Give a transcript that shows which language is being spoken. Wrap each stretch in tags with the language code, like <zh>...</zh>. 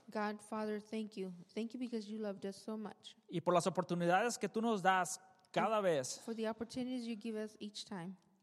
<en>God, Father, thank you. Thank you because you loved us so much.</en> <es>Y por las oportunidades que tú nos das cada vez.</es> <en>For the opportunities you give us each time.</en>